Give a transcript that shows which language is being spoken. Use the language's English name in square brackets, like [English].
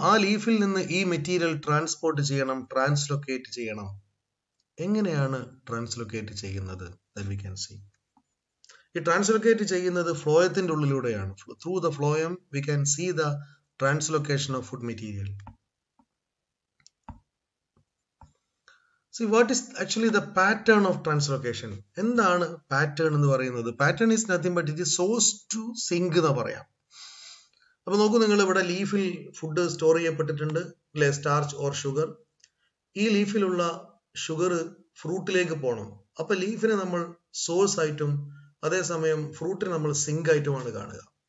[Malayalam] ആ ലീഫിൽ നിന്ന് ഈ മെറ്റീരിയൽ ട്രാൻസ്പോർട്ട് ചെയ്യണം, ട്രാൻസ്ലൊക്കേറ്റ് ചെയ്യണം. എങ്ങനെയാണ് ട്രാൻസ്ലൊക്കേറ്റ് ചെയ്യുന്നത്? [English] That we can see. [Malayalam] ഈ ട്രാൻസ്ലൊക്കേറ്റ് ചെയ്യുന്നത് ഫ്ലോയത്തിൻ്റെ ഉള്ളിലൂടെയാണ്. [English] Through the phloem we can see the translocation of food material. See, what is actually the pattern of translocation? [Malayalam] എന്താണ് പാറ്റേൺ എന്ന് പറയുന്നത്? [English] pattern is nothing but it is source to sink [Malayalam] എന്ന് പറയാം. അപ്പൊ നോക്കൂ, നിങ്ങൾ ഇവിടെ ലീഫിൽ ഫുഡ് സ്റ്റോർ ചെയ്യപ്പെട്ടിട്ടുണ്ട് അല്ലെ, സ്റ്റാർച്ച് ഓർ ഷുഗർ. ഈ ലീഫിലുള്ള ഷുഗർ ഫ്രൂട്ടിലേക്ക് പോകണം. അപ്പൊ ലീഫിനെ നമ്മൾ സോഴ്സ് ആയിട്ടും അതേസമയം ഫ്രൂട്ടിനെ നമ്മൾ സിങ്ക് ആയിട്ടുമാണ് കാണുക.